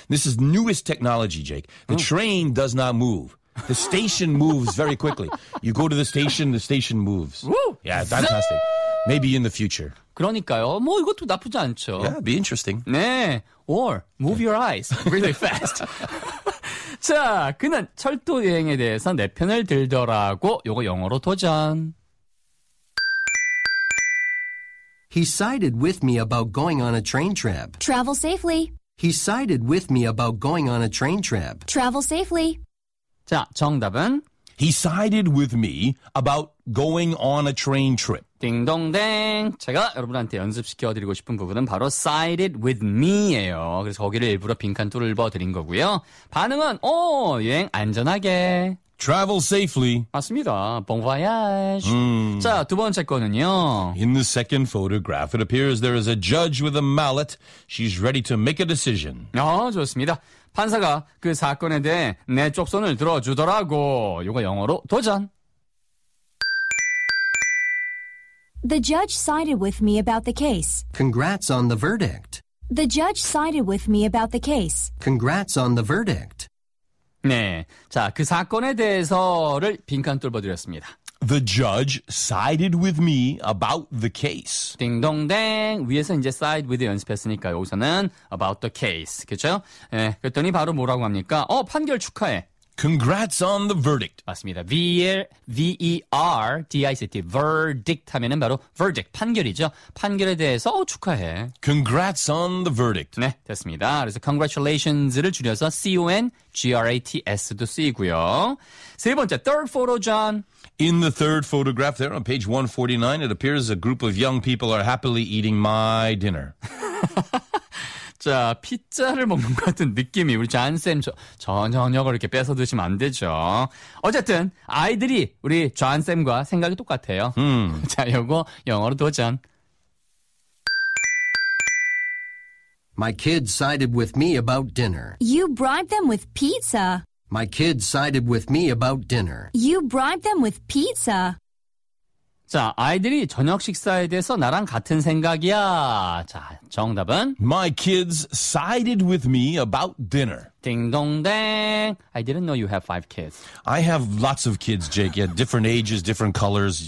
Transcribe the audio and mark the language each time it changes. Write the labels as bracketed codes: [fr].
[en] This is newest technology, Jake. The train does not move. The station moves very quickly. You go to the station moves. Woo! Yeah, fantastic. Maybe in the future. [ko] 그러니까요. 뭐 이것도 나쁘지 않죠. [en] Yeah, be interesting. [ko] 네. [en] Or move your eyes really fast. [ko] 자, 그는 철도 여행에 대해서 내 편을 들더라고. 요거 영어로 도전. [en] He sided with me about going on a train trip. Travel safely. He sided with me about going on a train trip. Travel safely. [ko] 자, 정답은? [en] He sided with me about going on a train trip. [ko] 딩동댕. 제가 여러분한테 연습시켜드리고 싶은 부분은 바로 [en] Side It With Me [ko] 예요. 그래서 거기를 일부러 빈칸 뚫어드린 거고요. 반응은 오, 여행 안전하게. [en] Travel safely. [ko] 맞습니다. [fr] Bon voyage. [ko] 자, 두 번째 거는요. [en] In the second photograph, it appears there is a judge with a mallet. She's ready to make a decision. [ko] 아, 좋습니다. 판사가 그 사건에 대해 내 쪽 손을 들어주더라고. 이거 영어로 도전. [en] The judge sided with me about the case. Congrats on the verdict. The judge sided with me about the case. Congrats on the verdict. [ko] 네, 자, 그 사건에 대해서를 빈칸 뚫어드렸습니다. [en] The judge sided with me about the case. [ko] 딩동댕. 위에서 이제 [en] side with [ko] 연습했으니까 여기서는 [en] about the case. [ko] 그렇죠? 네, 그랬더니 바로 뭐라고 합니까? 어, 판결 축하해. [en] Congrats on the verdict. [ko] 맞습니다. V-E-R-D-I-C-T. Verdict 하면은 바로 verdict. 판결이죠. 판결에 대해서 축하해. [en] Congrats on the verdict. [ko] 네, 됐습니다. 그래서 congratulations를 줄여서 C-O-N-G-R-A-T-S도 쓰이고요. 세 번째, [en] third photo, [ko] John. [en] In the third photograph there on page 149, it appears a group of young people are happily eating my dinner. [ko] 자, 피자를 먹는 것 같은 느낌이 우리 잔쌤 저녁을 이렇게 뺏어 드시면 안 되죠. 어쨌든 아이들이 우리 잔쌤과 생각이 똑같아요. 자, 요거 영어로 도전. [en] My kids sided with me about dinner. You bribed them with pizza. My kids sided with me about dinner. You bribed them with pizza. [ko] 자, 아이들이 저녁 식사에 대해서 나랑 같은 생각이야. 자, 정답은? [en] My kids sided with me about dinner. [ko] 딩동댕. [en] I didn't know you have five kids. I have lots of kids, Jake. Yeah, different ages, different colors.